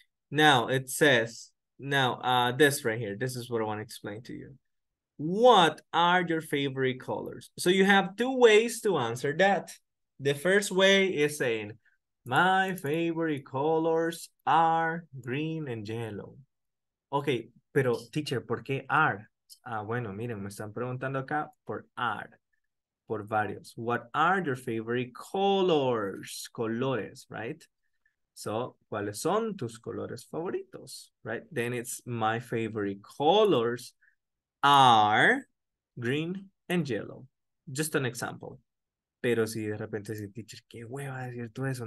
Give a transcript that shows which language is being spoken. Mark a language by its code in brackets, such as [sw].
[en] Now it says, now this right here, this is what I want to explain to you. What are your favorite colors? So you have two ways to answer that. The first way is saying, my favorite colors are green and yellow. [es] Okay, pero teacher, ¿por qué are? Bueno, miren, me están preguntando acá por are. Por varios. [en] What are your favorite colors? [es] Colores, right? So, ¿cuáles son tus colores favoritos? Right? [en] Then it's my favorite colors are green and yellow. Just an example. [es] Pero si de repente dice, teacher, ¿qué hueva decir tú eso?